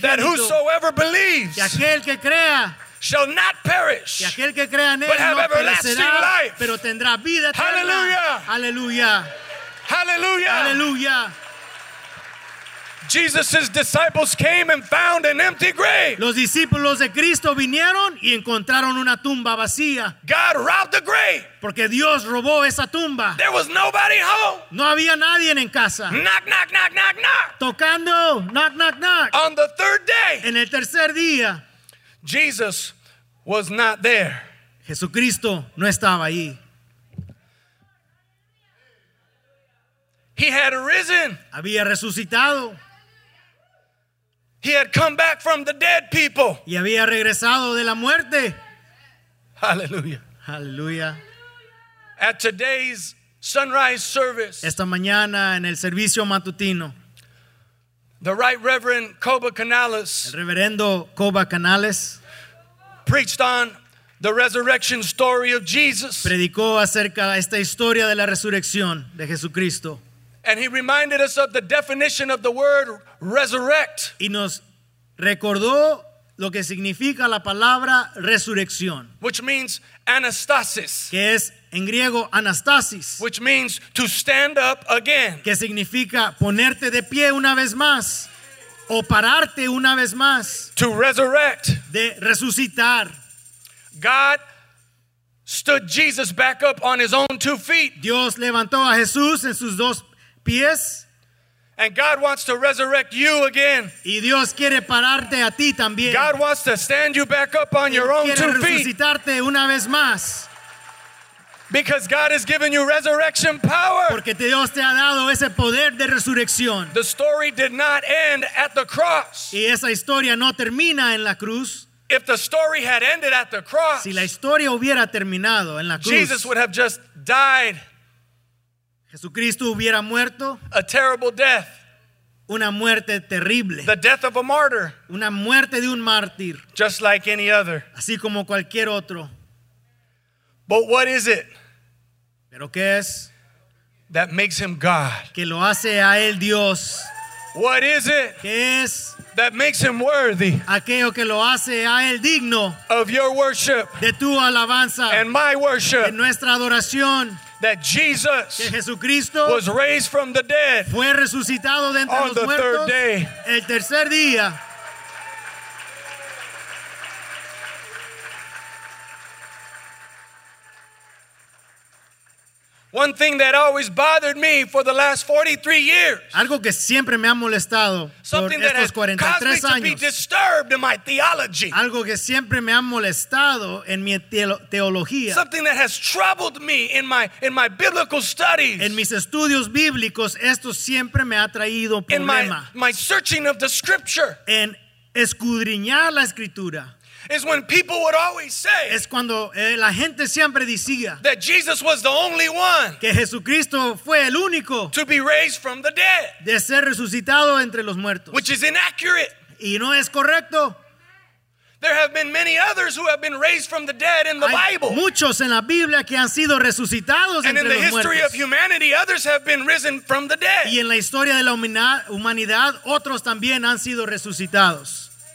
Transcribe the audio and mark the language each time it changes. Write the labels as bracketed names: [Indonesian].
[English] that whosoever believes, [Spanish] que aquel que crea, [English] shall not perish, [Spanish] que aquel que crea en él, [English] but have everlasting life, [Spanish] pero tendrá vida eterna. [English] Hallelujah. Hallelujah. Hallelujah. Hallelujah. Jesus' disciples came and found an empty grave. [Spanish] Los discípulos de Cristo vinieron y encontraron una tumba vacía. [English] God robbed the grave. [Spanish] Porque Dios robó esa tumba. [English] There was nobody home. [Spanish] No había nadie en casa. [English] Knock, knock, knock, knock, knock. [Spanish] Tocando, [English] knock, knock, knock. On the third day. [Spanish] En el tercer día. [English] Jesus was not there. [Spanish] Jesucristo no estaba ahí. [English] He had risen. [Spanish] Había resucitado. [English] He had come back from the dead people. [Spanish] Y había regresado de la muerte. [English] Hallelujah. Hallelujah. At today's sunrise service. [Spanish] Esta mañana en el servicio matutino. [English] The Right Reverend Coba Canales. [Spanish] El reverendo Coba Canales [English] preached on the resurrection story of Jesus. [Spanish] Predicó acerca de esta historia de la resurrección de Jesucristo. [English] And he reminded us of the definition of the word resurrect. [Spanish] Y nos recordó lo que significa la palabra resurrección. [English] Which means anastasis. [Spanish] Que es en griego anastasis. [English] Which means to stand up again. [Spanish] Que significa ponerte de pie una vez más. O pararte una vez más. [English] To resurrect. [Spanish] De resucitar. [English] God stood Jesus back up on his own two feet. [Spanish] Dios levantó a Jesús en sus dos pies. [English] And God wants to resurrect you again. [Spanish] Y Dios quiere pararte a ti también. [English] God wants to stand you back up on [Spanish] Él [English] your own two feet. [Spanish] Quiere resucitarte una vez más. [English] Because God has given you resurrection power. [Spanish] Porque Dios te ha dado ese poder de resurrección. [English] The story did not end at the cross. [Spanish] Y esa historia no termina en la cruz. [English] If the story had ended at the cross, [Spanish] si la historia hubiera terminado en la cruz, [English] Jesus would have just died. [Spanish] Jesucristo hubiera muerto. [English] A terrible death. [Spanish] Una muerte terrible. [English] The death of a martyr. [Spanish] Una muerte de un mártir. [English] Just like any other. [Spanish] Así como cualquier otro. [English] But what is it? [Spanish] ¿Pero qué es? [English] That makes him God. [Spanish] Que lo hace a él Dios. [English] What is it? [Spanish] ¿Qué es? [English] That makes him worthy. [Spanish] Aquello que lo hace a él digno. [English] Of your worship. [Spanish] De tu alabanza. [English] And my worship. [Spanish] De nuestra adoración. [English] That Jesus, [Spanish] que Jesucristo, [English] was raised from the dead, [Spanish] fue resucitado de entre [English] on [Spanish] los [English] the [Spanish] muertos, [English] third day, [Spanish] el tercer día. [English] One thing that always bothered me for the last 43 years. [Spanish] Algo que siempre me ha molestado por estos 43 años. [English] Caused me to be disturbed in my theology. [Spanish] Algo que siempre me ha molestado en mi teología. [English] Something that has troubled me in my biblical studies. [Spanish] En mis estudios bíblicos esto siempre me ha traído problema. [English] In my searching of the scripture. [Spanish] En escudriñar la escritura. [English] Is when people would always say, [Spanish] es cuando la gente siempre decía, [English] that Jesus was the only one, [Spanish] que Jesucristo fue el único, [English] to be raised from the dead, [Spanish] de ser resucitado entre los muertos, [English] which is inaccurate, [Spanish] y no es correcto. [English] There have been many others who have been raised from the dead in the [Spanish] Hay [English] Bible. [Spanish] Muchos en la Biblia que han sido resucitados [English] and [Spanish] entre [English] in the [Spanish] los [English] history [Spanish] muertos. [English] Of humanity, others have been risen from the dead. [Spanish] Y en la historia de la humanidad, otros también han sido resucitados.